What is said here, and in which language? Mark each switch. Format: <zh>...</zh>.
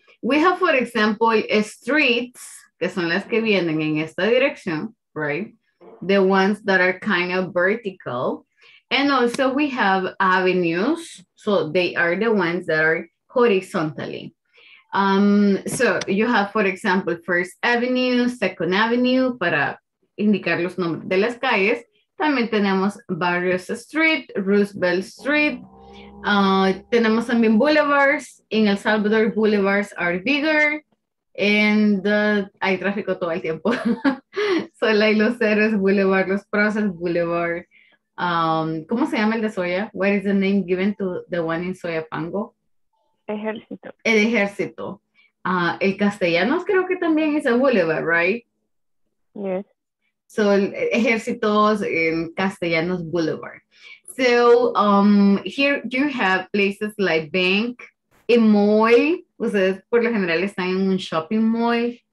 <en>We have, for example, streets,</en> <es>que son las que vienen en esta dirección,</es> <en>right? The ones that are kind of vertical. And also we have avenues, so they are the ones that are horizontally. So you have, for example, First Avenue, Second Avenue,</en> <es>para indicar los nombres de las calles. También tenemos Barrios Street, Roosevelt Street. Tenemos también boulevards.</es> <en>In El Salvador, boulevards are bigger.</en> <es>And hay tráfico todo el tiempo. Solay Los Héroes Boulevard, Los Procesos Boulevard. ¿Cómo se llama el de Soya?</es> <en>What is the name given to the one in Soyapango?</en> <es>Ejército. El Ejército. El Castellanos creo que también es a boulevard, right?</es> <en>Yes. So, Ejércitos en Castellanos Boulevard. So, here you have places like Bank, Imoy.</en> <es>Ustedes por lo general están en un shopping mall.</es>